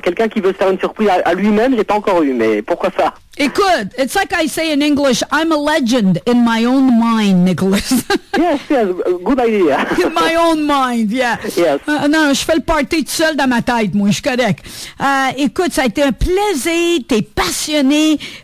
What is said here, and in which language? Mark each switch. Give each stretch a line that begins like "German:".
French: Quelqu'un qui veut se faire une surprise à lui-même, j'ai pas encore eu, mais pourquoi ça?
English: Écoute, it's like I say in English, I'm a legend in my own mind, Nicolas. yes, good idea. In my own mind, yeah. Yes.
French: Non, je fais le party tout seul dans ma tête, moi, je suis correct. Écoute, ça a été un plaisir, t'es passionné.